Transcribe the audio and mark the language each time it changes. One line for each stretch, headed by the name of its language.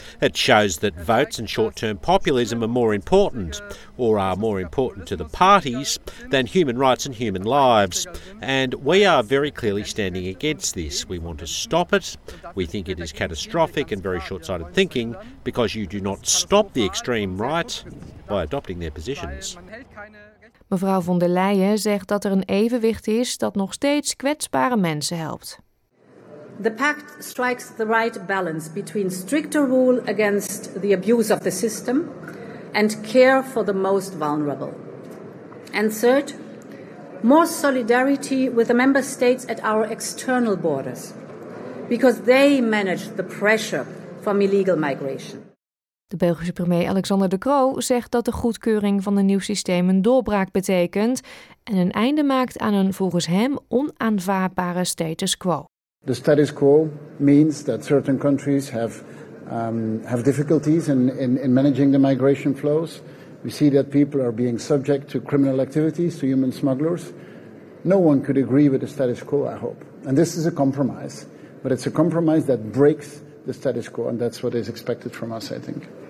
English: It shows that votes and short-term populism are more important, or are more important to the parties, than human rights and human lives. And we are very clearly standing against this. We want to stop it. We think it is catastrophic and very short-sighted thinking, because you do not stop the extreme right by adopting their positions.
Dutch: Mevrouw von der Leyen zegt dat er een evenwicht is dat nog steeds kwetsbare mensen helpt.
English: The pact strikes the right balance between stricter rule against the abuse of the system and care for the most vulnerable. And third, more solidarity with the member states at our external borders, because they manage the pressure from illegal migration.
Dutch: De Belgische premier Alexander De Croo zegt dat de goedkeuring van een nieuw systeem een doorbraak betekent en een einde maakt aan een volgens hem onaanvaardbare status quo.
English: The status quo means that certain countries have difficulties in managing the migration flows. We see that people are being subject to criminal activities, to human smugglers. No one could agree with the status quo, I hope. And this is a compromise, but it's a compromise that breaks the status quo, and that's what is expected from us, I think.